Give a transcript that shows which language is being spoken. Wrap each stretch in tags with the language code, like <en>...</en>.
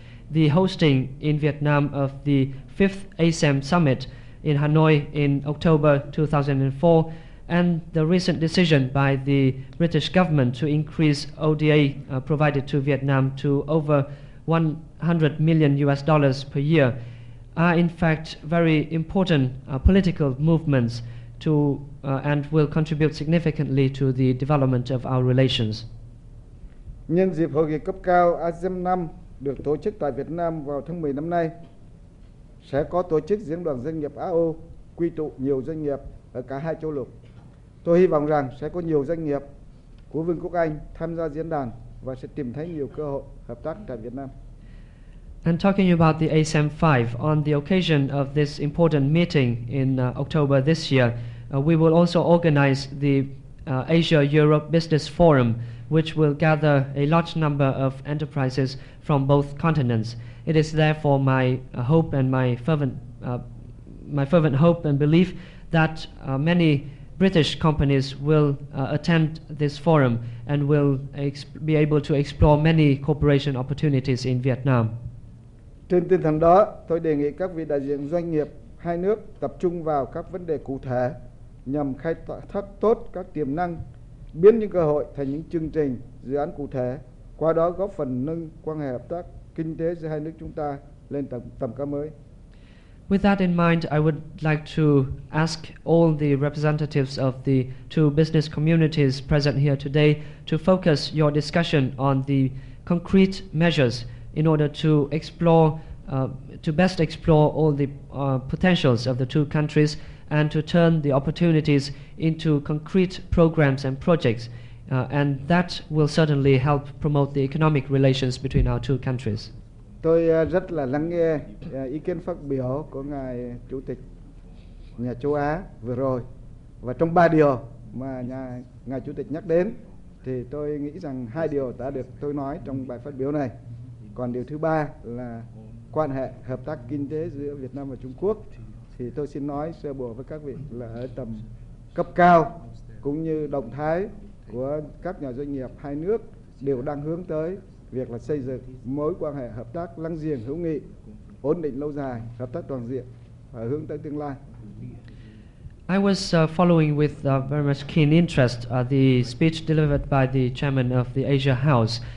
<en>The hosting in Vietnam of the 5th ASEM Summit in Hanoi in October 2004 and the recent decision by the British government to increase ODA provided to Vietnam to over $100 million per year are in fact very important political movements to and will contribute significantly to the development of our relations.</en> <vi>Nhân dịp hội nghị cấp cao ASEAN 5 được tổ chức tại Việt Nam vào tháng 10 năm nay, sẽ có tổ chức diễn đoàn doanh nghiệp AU quy tụ nhiều doanh nghiệp ở cả hai châu lục. Tôi hy vọng rằng sẽ có nhiều doanh nghiệp của Vương quốc Anh tham gia diễn đàn và sẽ tìm thấy nhiều cơ hội hợp tác tại Việt Nam.</vi> <en>And talking about the ASEM 5, on the occasion of this important meeting in October this year, we will also organize the Asia-Europe Business Forum, which will gather a large number of enterprises from both continents. It is therefore my hope and my fervent hope and belief that many British companies will attend this forum and will be able to explore many cooperation opportunities in Vietnam.</en> <vi>Trên tinh thần đó, tôi đề nghị các vị đại diện doanh nghiệp hai nước tập trung vào các vấn đề cụ thể nhằm khai thác tốt các tiềm năng, biến những cơ hội thành những chương trình, dự án cụ thể, qua đó góp phần nâng quan hệ hợp tác kinh tế giữa hai nước chúng ta lên tầm cao mới.</vi> <en>With that in mind, I would like to ask all the representatives of the two business communities present here today to focus your discussion on the concrete measures in order to explore, to best explore all the potentials of the two countries and to turn the opportunities into concrete programs and projects. And that will certainly help promote the economic relations between our two countries.</en> <vi>Tôi rất là lắng nghe ý kiến phát biểu của Ngài Chủ tịch nhà châu Á vừa rồi. Và trong ba điều mà Ngài Chủ tịch nhắc đến, thì tôi nghĩ rằng hai điều đã được tôi nói trong bài phát biểu này. Còn điều thứ ba là quan hệ hợp tác kinh tế giữa Việt Nam và Trung Quốc. Thì tôi xin nói sơ bộ với các vị là ở tầm cấp cao, cũng như động thái của các nhà doanh nghiệp hai nước đều đang hướng tới việc là xây dựng mối quan hệ hợp tác láng giềng hữu nghị, ổn định lâu dài, hợp tác toàn diện và hướng tới tương lai.</vi> <en>I was following with very much keen interest the speech delivered by the chairman of the Asia House.</en>